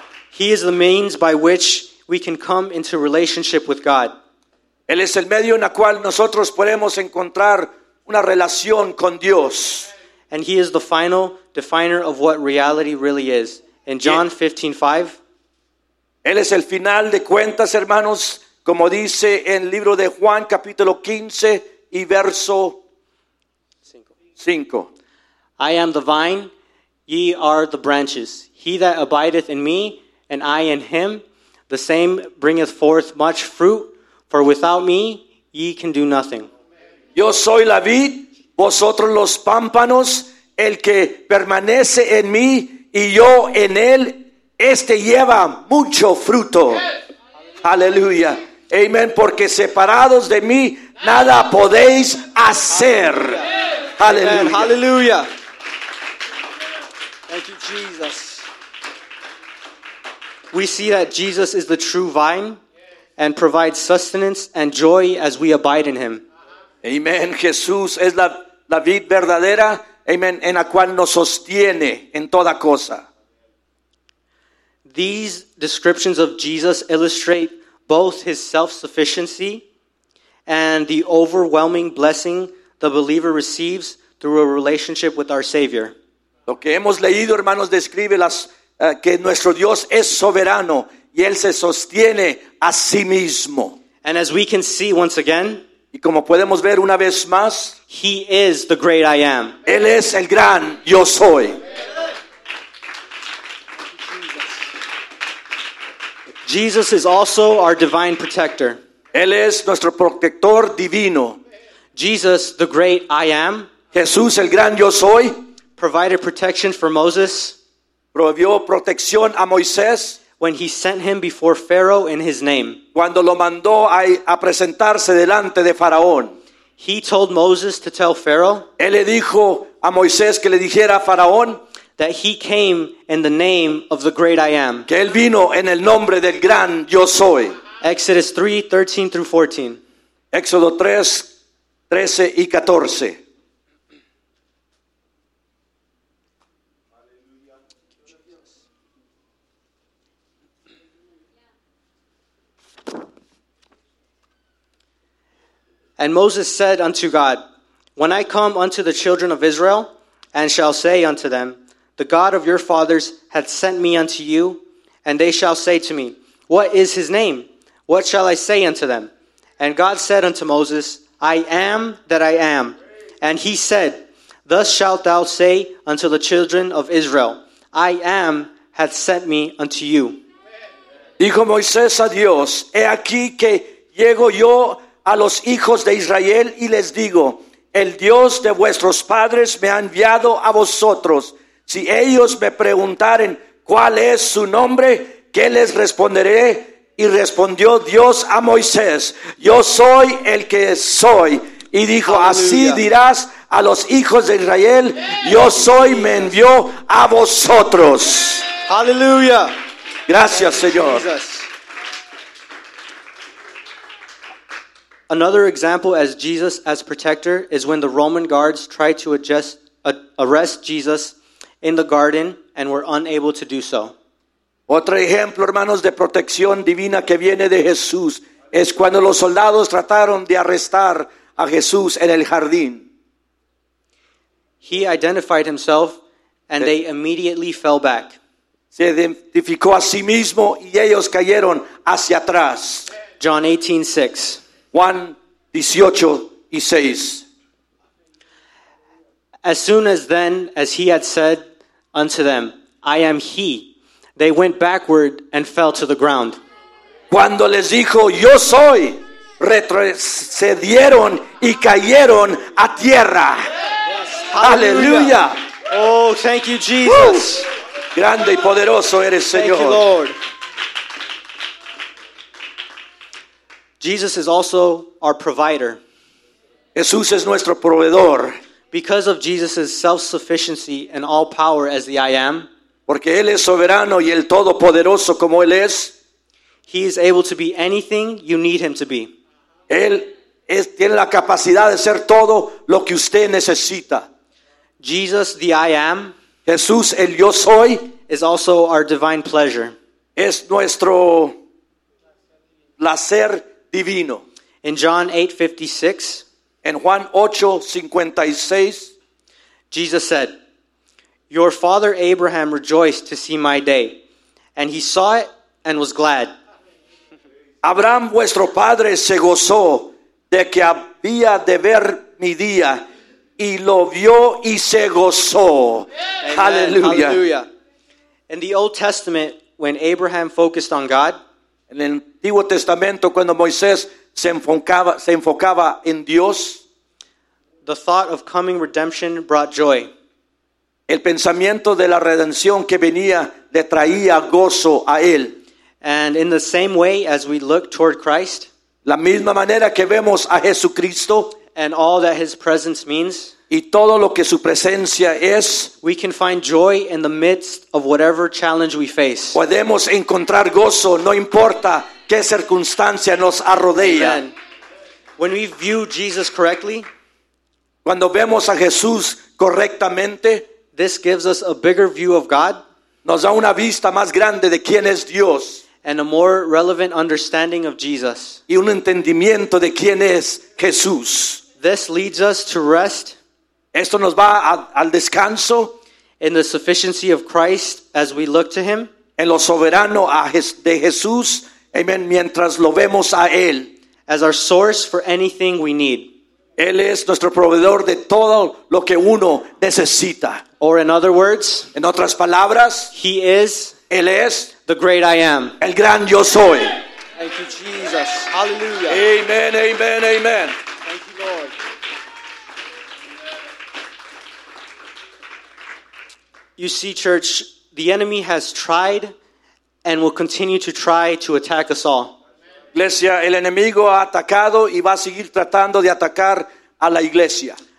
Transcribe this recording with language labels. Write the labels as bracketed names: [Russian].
[English] He is the means by which we can come into relationship with God. [Spanish] Él es el medio en el cual nosotros podemos encontrar una relación con Dios. [English] And he is the final definer of what reality really is. In John 15:5. [Spanish] Él es el final de cuentas, hermanos. Como dice en el libro de Juan, capítulo 15 y verso 5. [English] I am the vine, ye are the branches. He that abideth in me, and I in him, the same bringeth forth much fruit, for without me ye can do nothing. [Spanish] Yo soy la vid, vosotros los pámpanos, el que permanece en mí y yo en él, este lleva mucho fruto. [English] Yes. [Spanish] Aleluya. Amén, porque separados de mí, nada podéis hacer. Aleluya. [English] Aleluya. Thank you, Jesus. We see that Jesus is the true vine and provides sustenance and joy as we abide in him. Amen. [Spanish] Jesús es la vid verdadera, amen, en la cual nos sostiene en toda cosa. [English] These descriptions of Jesus illustrate both his self-sufficiency and the overwhelming blessing the believer receives through a relationship with our Savior. [Spanish] Lo que hemos leído, hermanos, describe que nuestro Dios es soberano y él se sostiene a sí mismo. [English] And as we can see once again, [Spanish] y como podemos ver una vez más, [English] he is the great I am. [Spanish] Él es el gran yo soy. [English] Jesus is also our divine protector. [Spanish] Él es nuestro protector divino. [English] Jesus, the great I am. [Spanish] Jesús, el gran yo soy. [English] Provided protection for Moses. [Spanish] Provió protección a Moisés. [English] When he sent him before Pharaoh in his name. [Spanish] Cuando lo mandó a presentarse delante de Faraón. [English] He told Moses to tell Pharaoh. [Spanish] Él le dijo a Moisés que le dijera a Faraón. [English] That he came in the name of the great I am. [Spanish] Que él vino en el nombre del gran yo soy. [English] Exodus 3, 13 through 14. [Spanish] Éxodo 3, 13 y 14. [English] And Moses said unto God, when I come unto the children of Israel, and shall say unto them, the God of your fathers hath sent me unto you, and they shall say to me, what is his name? What shall I say unto them? And God said unto Moses, I am that I am. And he said, thus shalt thou say unto the children of Israel, I am hath sent me unto you. [Spanish] Dijo Moisés a Dios, he aquí que llego yo a los hijos de Israel y les digo, el Dios de vuestros padres me ha enviado a vosotros. Si ellos me preguntaren cuál es su nombre, ¿qué les responderé? Y respondió Dios a Moisés, yo soy el que soy. Y dijo, así dirás a los hijos de Israel, yo soy, me envió a vosotros. Aleluya. Gracias, Señor. [English] Another example as Jesus as protector is when the Roman guards tried to arrest Jesus in the garden and were unable to do so. [Spanish] Otro ejemplo, hermanos, de protección divina que viene de Jesús es cuando los soldados trataron de arrestar a Jesús en el jardín. [English] He identified himself and they immediately fell back. [Spanish] Se identificó a sí mismo y ellos cayeron hacia atrás. [English] John 18:6. [Spanish] Juan 18 y 6. [English] As soon as then as he had said unto them, I am he, they went backward and fell to the ground. [Spanish] Cuando les dijo, yo soy, retrocedieron y cayeron a tierra. [English] Yes. Hallelujah. Oh, thank you, Jesus. Woo. [Spanish] Grande y poderoso eres, Señor. [English] Thank you, Lord. Jesus is also our provider. [Spanish] Jesús es nuestro proveedor. [English] Because of Jesus' self-sufficiency and all power as the I am, [Spanish] porque él es soberano y el todopoderoso como él es, [English] he is able to be anything you need him to be. [Spanish] Él tiene la capacidad de ser todo lo que usted necesita. [English] Jesus, the I am, [Spanish] Jesús, el yo soy, [English] is also our divine pleasure. [Spanish] Es nuestro placer divino. [English] In John 8:56, [Spanish] en Juan 8:56, [English] Jesus said, your father Abraham rejoiced to see my day, and he saw it and was glad. [Spanish] Abraham, vuestro padre, se gozó de que había de ver mi día, y lo vio y se gozó. [English] Amen. Hallelujah. Hallelujah. In the Old Testament, when Abraham focused on God, [Spanish] en el Antiguo Testamento, cuando Moisés se enfocaba en Dios, [English] the thought of coming redemption brought joy. [Spanish] El pensamiento de la redención que venía le traía gozo a él. [English] And in the same way as we look toward Christ, [Spanish] la misma manera que vemos a Jesucristo, [English] and all that his presence means, [Spanish] y todo lo que su presencia es, [English] we can find joy in the midst of whatever challenge we face. [Spanish] Podemos encontrar gozo, no importa qué circunstancia nos arrodea. [English] When we view Jesus correctly, [Spanish] cuando vemos a Jesús correctamente, [English] this gives us a bigger view of God, [Spanish] nos da una vista más grande de quién es Dios, [English] and a more relevant understanding of Jesus, [Spanish] y un entendimiento de quién es Jesús. [English] This leads us to rest. [Spanish] Esto nos va al descanso. [English] In the sufficiency of Christ as we look to him. [Spanish] En lo soberano de Jesús. Amen. Mientras lo vemos a él. [English] As our source for anything we need. [Spanish] Él es nuestro proveedor de todo lo que uno necesita. [English] Or in other words. [Spanish] En otras palabras. [English] He is. [Spanish] Él es. [English] The great I am. [Spanish] El gran yo soy. [English] Thank you, Jesus. Hallelujah. Amen, amen, amen. Thank you, Lord. You see, church, the enemy has tried and will continue to try to attack us all. [Spanish] Iglesia, el enemigo ha atacado y va a seguir tratando de atacar a la iglesia.